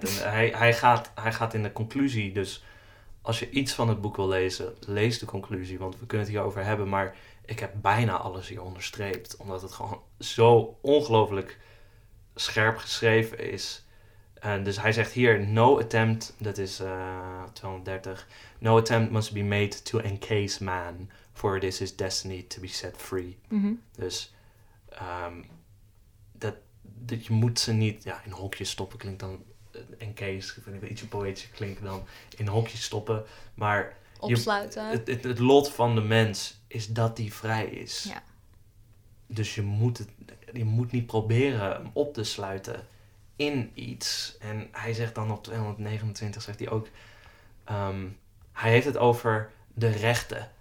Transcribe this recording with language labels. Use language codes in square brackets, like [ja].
[nl] En hij gaat in de conclusie. Dus als je iets van het boek wil lezen, lees de conclusie. Want we kunnen het hierover hebben. Maar ik heb bijna alles hier onderstreept. Omdat het gewoon zo ongelooflijk scherp geschreven is. En dus hij zegt hier, [en] no attempt, [nl] dat is 230. [en] No attempt must be made to encase man. For this is destiny to be set free. Mm-hmm. [nl] Dus dat je moet ze niet in hokjes stoppen klinkt dan en case ik vind het een beetje poëtisch klinkt dan in hokjes stoppen maar opsluiten het lot van de mens is dat die vrij is dus je moet niet proberen hem op te sluiten in iets en hij zegt dan op 229 zegt hij ook hij heeft het over de rechten.